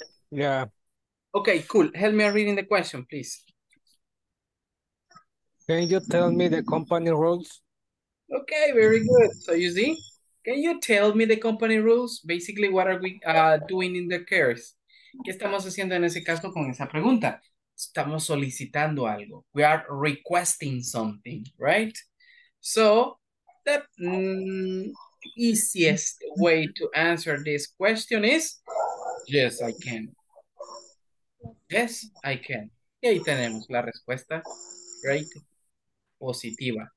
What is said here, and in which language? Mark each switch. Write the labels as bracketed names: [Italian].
[English] Yeah. Okay, cool. Help me reading the question, please. Can you tell me the company rules? Okay, very good. So you see, Can you tell me the company rules? Basically, what are we doing in the cares? [Spanish] ¿Qué estamos haciendo en ese caso con esa pregunta? Estamos solicitando algo. [English] We are requesting something, right? So, the easiest way to answer this question is, yes, I can. Yes, I can. [Spanish] Y ahí tenemos la respuesta, right? Positiva.